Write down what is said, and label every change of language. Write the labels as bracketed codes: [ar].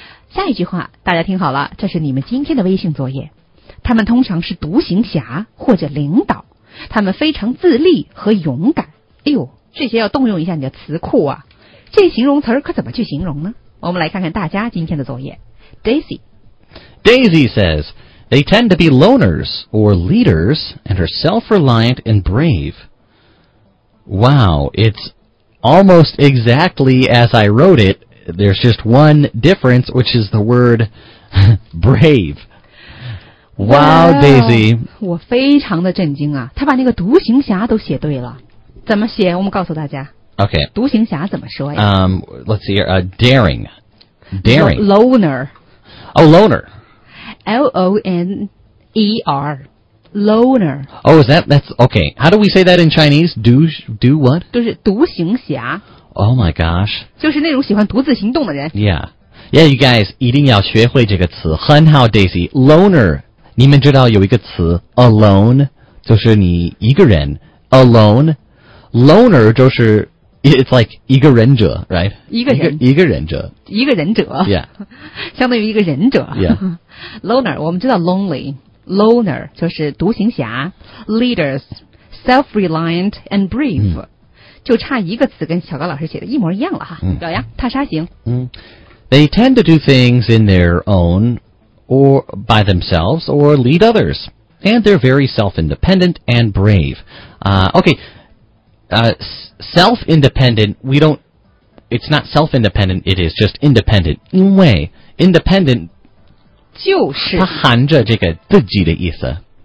[zh] 下一句话，大家听好了，这是你们今天的微信作业。他们通常是独行侠或者领导，他们非常自立和勇敢。哎呦，这些要动用一下你的词库啊！这形容词可怎么去形容呢？我们来看看大家今天的作业。 [en] Daisy says, they tend to be loners or leaders and are self-reliant and brave. Wow, it's almost exactly as I wrote it. There's just one difference, which is the word brave. Wow, Daisy. [zh] 我非常的震惊啊，他把那个独行侠都写对了。怎么写？我们告诉大家。 [en] Okay. [zh] 独行侠怎么说呀？ [en] Let's see here. Daring. Daring. Loner. Oh, loner. L-O-N-E-R. Loner. Oh, is that, that's, okay. How do we say that in Chinese? Do what? [zh] 就是独行侠。 [en] Oh my gosh. [zh] 就是那种喜欢独自行动的人。 [en] Yeah. Yeah, you guys, [zh] 一定要学会这个词。很好 Daisy. Loner. 你们知道有一个词 alone, 就是你一个人 alone. Loner 就是 [en] It's like [zh] 一个忍者 right? 一个忍者。一个忍者。 [en] Yeah. [zh] 相当于一个忍者。 [en] Yeah. [zh] Loner, 我们知道 lonely. Loner, 就是独行侠。 [en] Leaders, self-reliant and brave.、Mm. [zh] 就差一个词跟小高老师写的一模一样了哈。 Mm. 表扬踏沙行。 Mm. [en] They tend to do things in their own or by themselves or lead others. And they're very self-independent and brave. Okay. Self-independent, we don't, it's not self-independent, it is just independent. [zh] 因为 independent, 就是它含着这个自己的意思。